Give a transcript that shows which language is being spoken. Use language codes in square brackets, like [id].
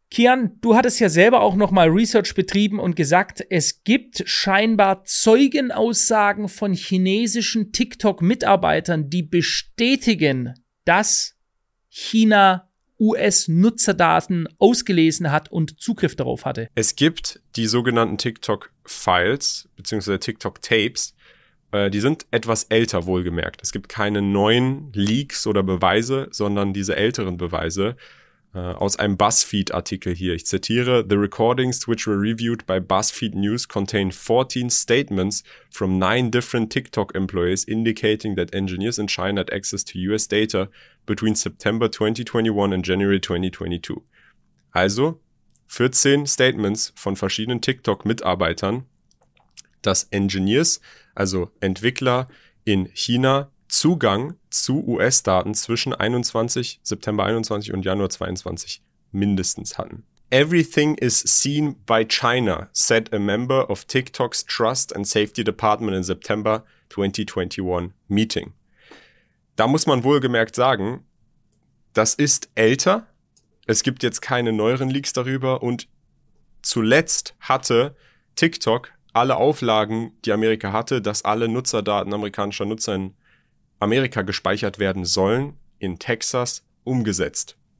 [de] Kian, du hattest ja selber auch nochmal Research betrieben und gesagt, es gibt scheinbar Zeugenaussagen von chinesischen TikTok-Mitarbeitern, die bestätigen, dass China US-Nutzerdaten ausgelesen hat und Zugriff darauf hatte. Es gibt die sogenannten TikTok-Files bzw. TikTok-Tapes. Die sind etwas älter, wohlgemerkt. Es gibt keine neuen Leaks oder Beweise, sondern diese älteren Beweise. aus einem BuzzFeed-Artikel hier. Ich zitiere: [en] The recordings which were reviewed by BuzzFeed News contain 14 statements from 9 different TikTok employees indicating that engineers in China had access to US data between September 2021 and January 2022. [de] Also 14 Statements von verschiedenen TikTok-Mitarbeitern, dass Engineers, also Entwickler in China, Zugang zu US-Daten zwischen September 21 und Januar 22 mindestens hatten. [en] Everything is seen by China, said a member of TikTok's Trust and Safety Department in September 2021 meeting. [de] Da muss man wohlgemerkt sagen, das ist älter. Es gibt jetzt keine neueren Leaks darüber. Und zuletzt hatte TikTok alle Auflagen, die Amerika hatte, dass alle Nutzerdaten amerikanischer Nutzer in Amerika gespeichert werden sollen, in Texas umgesetzt.